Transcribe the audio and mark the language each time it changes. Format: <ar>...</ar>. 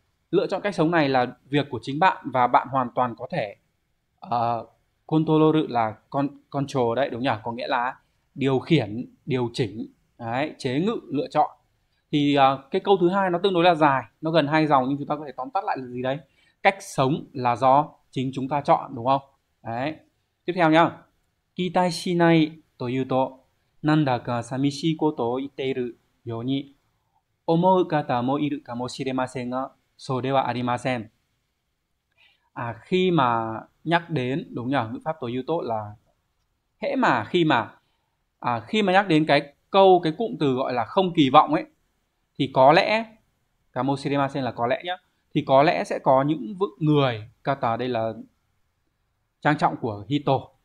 <vi>Lựa chọn cách sống này là việc của chính bạn và bạn hoàn toàn có thể control là control đấy đúng nhỉ? Có nghĩa là điều khiển, điều chỉnh, đấy, chế ngự, lựa chọn. Thì cái câu thứ hai nó tương đối là dài, nó gần hai dòng nhưng chúng ta có thể tóm tắt lại là gì đấy? Cách sống là do chính chúng ta chọn đúng không? Đấy. Tiếp theo nhá.</vi> <ja>Kitai shinai というと、なんだか寂しいことを言っているように思う方もいるかもしれませんが、そうではありません。</ja> <vi>À, khi mà nhắc đến đúng nhỉ, ngữ pháp tối ưu tốt là hễ mà khi mà khi mà nhắc đến cái câu cái cụm từ gọi là không kỳ vọng ấy thì có lẽ kamoshiremasen là có lẽ nhá, thì có lẽ sẽ có những vự người kata đây là trang trọng của Hito.</vi>